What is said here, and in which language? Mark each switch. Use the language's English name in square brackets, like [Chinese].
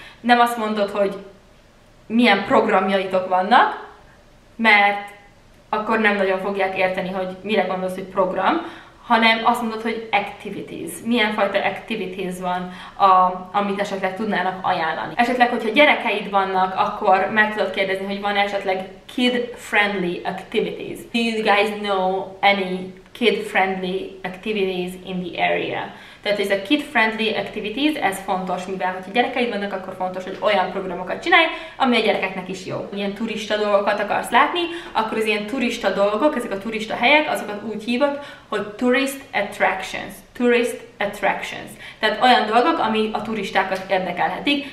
[Hungarian] Nem azt mondod, hogy milyen programjaitok vannak, mert akkor nem nagyon fogják érteni, hogy mire gondolsz, hogy program, hanem azt mondod, hogy activities. Milyen fajta activities van, amit esetleg tudnának ajánlani. Esetleg, hogyha gyerekeid vannak, akkor meg tudod kérdezni, hogy van esetleg kid-friendly activities. [English] Do you guys know any kid-friendly activities in the area. [Hungarian] Tehát ez a kid-friendly activities, ez fontos, mivel ha gyerekeid vannak, akkor fontos, hogy olyan programokat csinálj, ami a gyerekeknek is jó. Ilyen turista dolgokat akarsz látni, akkor az ilyen turista dolgok, ezek a turista helyek, azokat úgy hívod, hogy tourist attractions. Tourist attractions. Tehát olyan dolgok, ami a turistákat érdekelhetik.